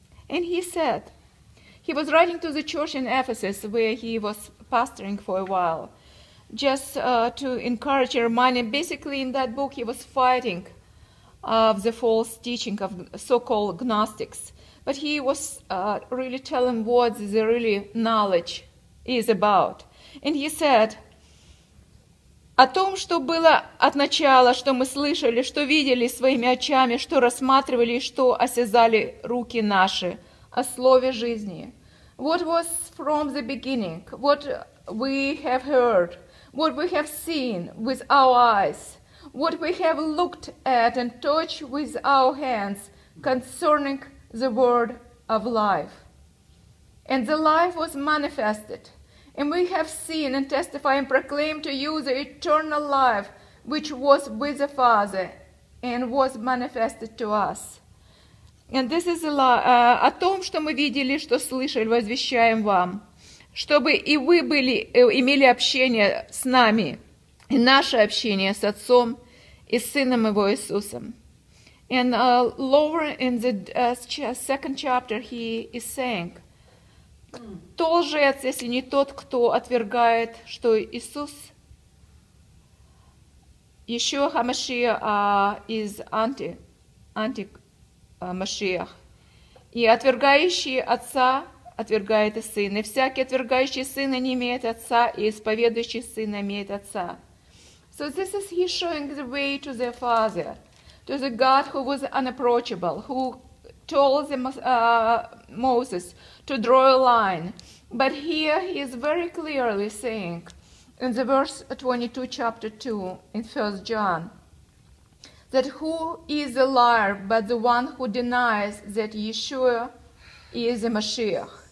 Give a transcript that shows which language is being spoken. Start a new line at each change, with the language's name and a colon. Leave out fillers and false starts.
English: And he said, he was writing to the church in Ephesus where he was pastoring for a while. Just to encourage your mind, and basically in that book he was fighting of the false teaching of so-called Gnostics, but he was really telling what the really knowledge is about. And he said,
Russian: о том, что было от начала, что мы слышали, что видели своими очами, что рассматривали, что осязали руки наши, о слове жизни.
English: What was from the beginning, what we have heard, what we have seen with our eyes, what we have looked at and touched with our hands concerning the word of life. And the life was manifested, and we have seen and testified and proclaimed to you the eternal life which was with the Father and was manifested to us. And this is
Russian: о том, что мы видели, что слышали, возвещаем вам. Чтобы и вы были, имели общение с нами, и наше общение с Отцом и Сыном Его Иисусом.
English: And lower in the second chapter he is saying,
Russian: кто лжец, если не тот, кто отвергает, что Иисус, Yeshua HaMashiach,
English: is anti-Mashiach,
Russian: и отвергающий Отца, отвергает и сына. Всякий отвергающий сына не имеет отца, и исповедующий сына имеет отца.
English: So this is he showing the way to the Father, to the God who was unapproachable, who told the Moses to draw a line. But here he is very clearly saying, in the verse 22, chapter 2, in 1 John, that who is a liar but the one who denies that Yeshua is a Mashiach?